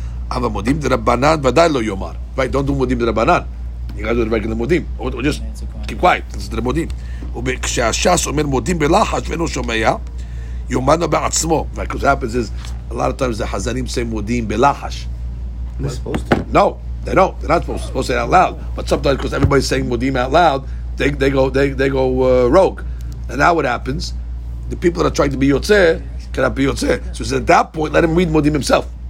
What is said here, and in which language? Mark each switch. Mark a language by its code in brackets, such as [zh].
[he] אבל מודים דרבנן ודאי לא יאמר. [en] Right, don't do מודים דרבנן. You guys are working the מודים. Or just keep quiet. It's the מודים. [he] וכשהשס אומר מודים בלחש ואינו שומע, יאמר לו בעצמו. [en] Right, what happens is, a lot of times the חזנים say מודים בלחש. They're supposed to? No, they don't. They're not supposed to. Supposed to say out loud. But sometimes, because everybody's saying מודים out loud, they go rogue. And now what happens? The people that are trying to be יוצא, cannot be יוצא. So at that point, let him read מודים himself.